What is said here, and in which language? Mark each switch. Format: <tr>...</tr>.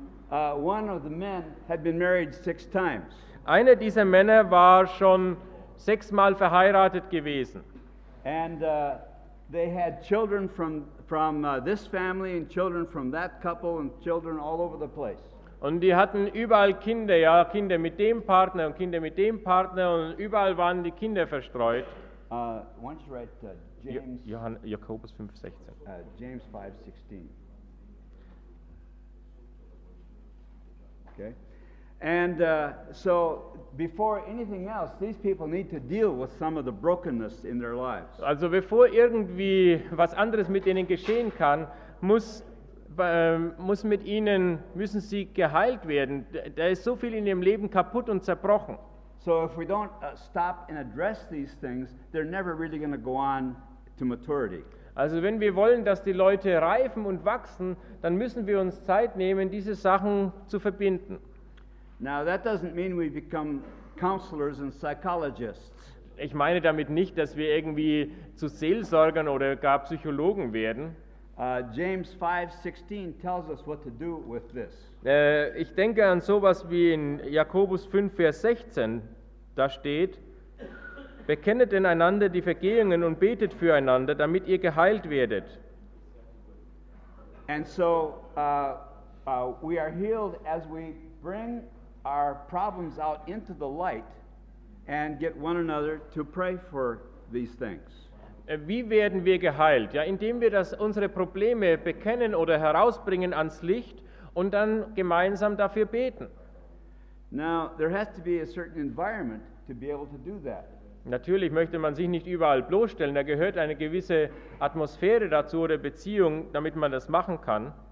<en>One of the men had been married six times.</en> <de>Einer dieser Männer war schon 6 Mal verheiratet gewesen.</de> <en>And they had children from this family and children from that couple and children all over the place.</en> <de>Und die hatten überall Kinder, ja, Kinder mit dem Partner und Kinder mit dem Partner und überall waren die Kinder verstreut.</de> <en>Once right to James.</en> <de>Jakobus 5:16.</de> <en>James 5:16. Okay. And so before anything else, these people need to deal with some of the brokenness in their lives.</en> <de>Also bevor irgendwie was anderes mit ihnen geschehen kann, müssen sie geheilt werden. Da ist so viel in ihrem Leben kaputt und zerbrochen.</de> <en>So if we don't stop and address these things, they're never really going to go on to maturity.</en> <de>Also wenn wir wollen, dass die Leute reifen und wachsen, dann müssen wir uns Zeit nehmen, diese Sachen zu verbinden.</de> <en>Now that doesn't mean we become counselors and psychologists.</en> <de>Ich meine damit nicht, dass wir irgendwie zu Seelsorgern oder gar Psychologen werden.</de> <en>James 5:16 tells us what to do with this.</en> <de>Ich denke an sowas wie in Jakobus 5, Vers 16, da steht, bekennet in einander die Vergehungen und betet füreinander, damit ihr geheilt werdet.</de> <en>And so we are healed as we bring our problems out into the light and get one another to pray for these things.</en> <de>Wie werden wir geheilt? Ja, indem wir das unsere Probleme bekennen oder herausbringen ans Licht und dann gemeinsam dafür beten.</de> <en>Now there has to be a certain environment to be able to do that.</en> <de>Natürlich möchte man sich nicht überall bloßstellen, da gehört eine gewisse Atmosphäre dazu oder Beziehung, damit man das machen kann.</de>